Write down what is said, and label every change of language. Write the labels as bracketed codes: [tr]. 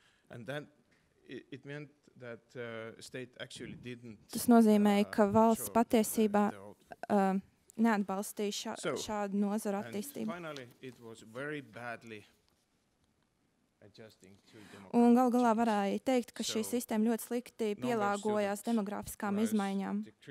[en] And then it meant that state actually didn't. [lv] Tas nozīmē, ka valsts patiesībā neatbalstīja šādu nozaru attīstību. [en] Finally, it was very badly adjusting to demographic. [lv] Un gal galā varēja teikt, ka šī sistēma ļoti slikti pielāgojās demogrāfiskām izmaiņām.